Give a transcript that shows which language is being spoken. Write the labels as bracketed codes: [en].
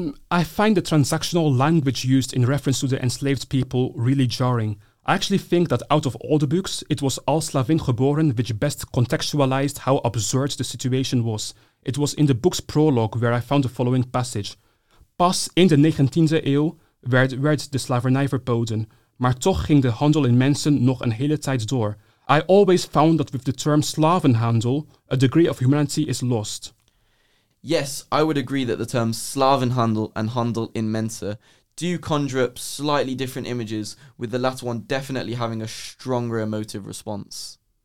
[en] I find the transactional language used in reference to the enslaved people really jarring. I actually think that out of all the books, it was Elslav in Geboren which best contextualized how absurd the situation was. It was in the book's prologue where I found the following passage. [nl] Pas in de 19e eeuw werd de slavernij verboden, maar toch ging de handel in mensen nog een hele tijd door. [en] I always found that with the term slavenhandel, a degree of humanity is lost. Yes, I would agree that the term slavenhandel and handel in mensen do conjure up slightly different images, with the latter one definitely having a stronger emotive response.